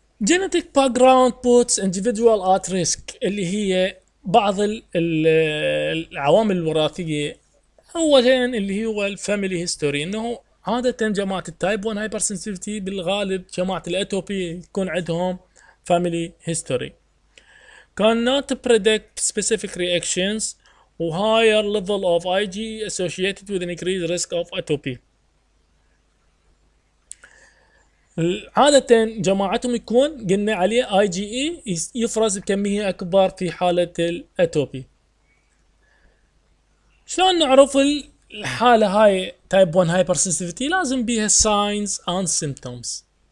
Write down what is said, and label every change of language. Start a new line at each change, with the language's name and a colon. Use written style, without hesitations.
English: Genetic background puts individual at risk،
Arabic: اللي هي بعض العوامل الوراثية. أولا اللي هو الفاميلي هيستوري، إنه عادة جماعة التايب 1 hypersensitivity بالغالب جماعة الأتوبي يكون عندهم فاميلي هيستوري.
English: Cannot predict specific reactions و higher level of IG associated with increased risk of atopy.
Arabic: عادة جماعتهم يكون قلنا عليه IGE يفرز بكمية أكبر في حالة الأتوبي. شلون نعرف الحالة هاي type 1 hypersensitivity؟ لازم بيها signs and symptoms.